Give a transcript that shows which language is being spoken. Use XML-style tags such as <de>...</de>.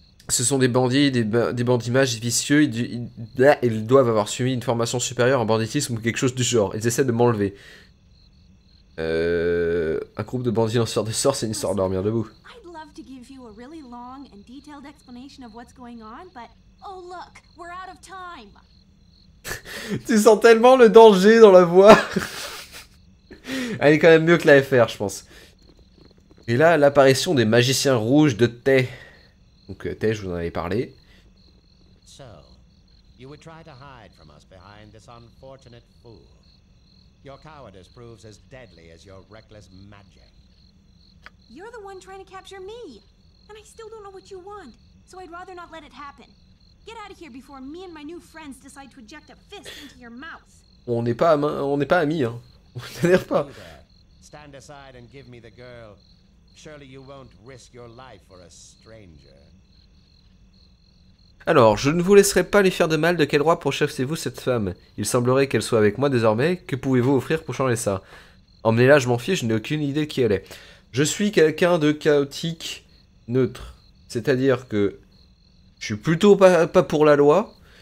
<fr>Ce sont des bandits, des bandits mages vicieux, ils doivent avoir suivi une formation supérieure en banditisme ou quelque chose du genre, ils essaient de m'enlever. Un groupe de bandits lanceurs de sorts, c'est une histoire de dormir debout.</fr> <en>I'd love to give you a really long and detailed explanation of what's going on, but oh look, we're out of time.</en> <fr>Tu sens tellement le danger dans la voix. Elle est quand même mieux que la FR, je pense. Et là, l'apparition des magiciens rouges de Tay. Donc Tay, je vous en avais parlé.</fr> <en>So, you would try to hide from us behind this unfortunate fool. Your cowardice proves as deadly as your reckless magic. You're the one trying to capture me, and I still don't know what you want. So I'd rather not let it happen. Get out of here before me and my new friends decide to eject a fist into your mouth.</en> <fr>On n'est pas amis, hein. On n'est pas.</fr> <en>Stand aside and give me the girl. Surely you won't risk your life for a stranger.</en> <fr>Alors, je ne vous laisserai pas lui faire de mal, de quel droit pourchassez-vous cette femme? Il semblerait qu'elle soit avec moi désormais, que pouvez-vous offrir pour changer ça? Emmenez-la, je m'en fiche, je n'ai aucune idée de qui elle est. Je suis quelqu'un de chaotique, neutre. C'est-à-dire que je suis plutôt pas pour la loi.</fr>